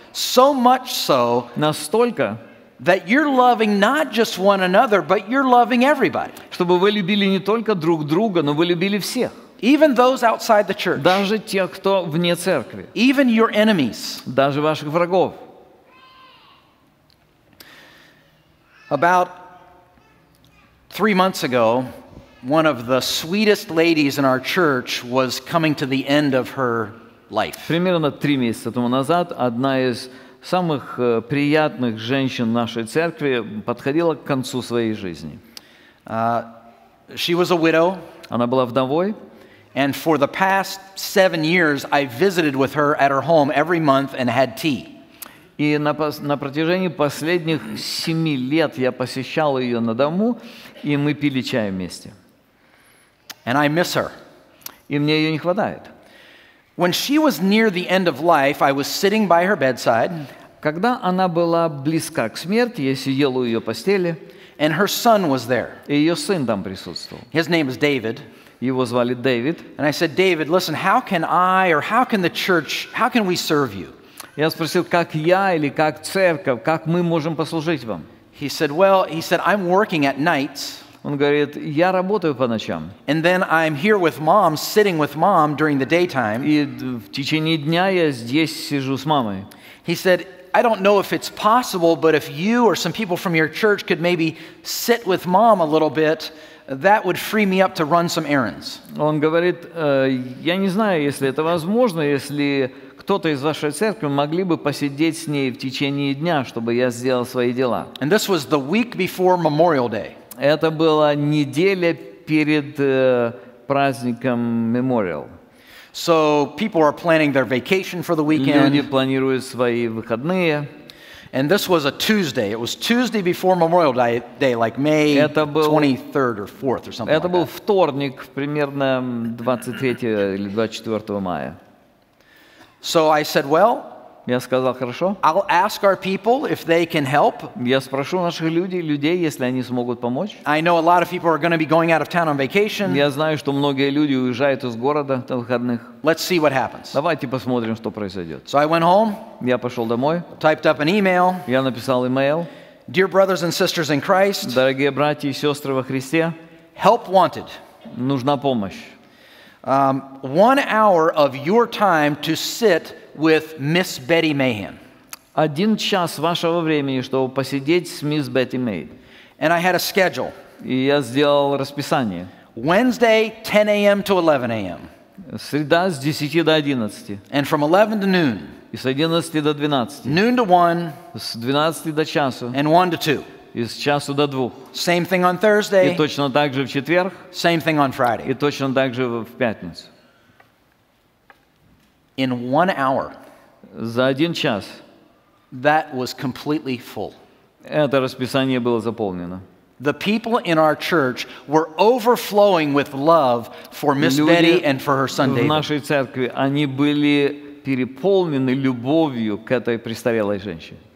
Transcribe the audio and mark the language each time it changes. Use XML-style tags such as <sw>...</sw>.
<en>So much so.</en> <ru>Настолько.</ru> <en>That you're loving not just one another, but you're loving everybody.</en> <ru>Чтобы вы любили не только друг друга, но вы любили всех.</ru> <en>Even those outside the church.</en> <ru>Даже тех, кто вне церкви.</ru> <en>Even your enemies.</en> <ru>Даже ваших врагов.</ru> <en>About 3 months ago, one of the sweetest ladies in our church was coming to the end of her life.</en> <ru>Примерно 3 месяца тому назад одна из самых приятных женщин нашей церкви подходила к концу своей жизни.</ru> <en>She was a widow.</en> <ru>Она была вдовой.</ru> <en>And for the past 7 years I visited with her at her home every month and had tea.</en> <ru>И на протяжении последних 7 лет я посещал ее на дому, и мы пили чай вместе.</ru> <en>And I miss her.</en> <ru>И мне ее не хватает.</ru> <en>When she was near the end of life, I was sitting by her bedside.</en> <ru>Когда она была близка к смерти, я сидел у ее постели.</ru> <en>And her son was there.</en> <ru>И ее сын там присутствовал.</ru> <en>His name is David.</en> <ru>Его звали Дэвид.</ru> <en>And I said, David, listen, how can I or how can the church, how can we serve you?</en> <ru>Я спросил, как я или как церковь, как мы можем послужить вам?</ru> <en>He said, well, he said, I'm working at nights.</en> <ru>Он говорит, я работаю по ночам.</ru> <en>And then I'm here with mom, sitting with mom during the daytime.</en> <ru>И в течение дня я здесь сижу с мамой.</ru> <en>He said, I don't know if it's possible, but if you or some people from your church could maybe sit with mom a little bit, that would free me up to run some errands.</en> <ru>Он говорит, я не знаю, если это возможно, если кто-то из вашей церкви могли бы посидеть с ней в течение дня, чтобы я сделал свои дела.</ru> <en>And this was the week before Memorial Day.</en> <ru>Это была неделя перед праздником Memorial.</ru> <en>So people are planning their vacation for the weekend.</en> <ru>Люди планируют свои выходные.</ru> <en>And this was a Tuesday. It was Tuesday before Memorial Day, like May 23rd or 4th or something.</en> <ru>Это был вторник, примерно 23 или 24 мая.</ru> <en>So I said, well,</en> <ru>Я сказал: хорошо.</ru> <en>I'll ask our people if they can help.</en> <ru>Я спрошу наших людей, если они смогут помочь.</ru> <en>I know a lot of people are going to be going out of town on vacation.</en> <ru>Я знаю, что многие люди уезжают из города на выходных.</ru> <en>Let's see what happens.</en> <ru>Давайте посмотрим, что произойдет.</ru> <en>So I went home.</en> <ru>Я пошел домой.</ru> <en>Typed up an email.</en> <ru>Я написал email.</ru> <en>Dear brothers and sisters in Christ.</en> <ru>Дорогие братья и сестры во Христе.</ru> <en>Help wanted.</en> <ru>Нужна помощь.</ru> <en>One hour of your time to sit with Miss Betty Mahan.</en> <ru>1 час вашего времени, чтобы посидеть с мисс Бетти Мэй.</ru> <en>And I had a schedule.</en> <ru>И я сделал расписание.</ru> <en>Wednesday, 10 a.m. to 11 a.m.</en> <ru>Среда с 10 до 11.</ru> <en>And from 11 to noon.</en> <ru>И с 11 до 12.</ru> <en>Noon to 1.</en> <ru>С 12 до часу.</ru> <en>And 1 to 2.</en> <ru>Из часу до двух.</ru> <en>Same thing on Thursday.</en> <ru>И точно так же в четверг.</ru> <en>Same thing on Friday.</en> <ru>И точно так же в пятницу.</ru> <en>In 1 hour.</en> <ru>За 1 час.</ru> <en>That was completely full.</en> <ru>Это расписание было заполнено.</ru> <en>The people in our church were overflowing with love for Miss Betty and for her son David.</en> <ru>В нашей церкви они были переполнены любовью к этой престарелой женщине.</ru>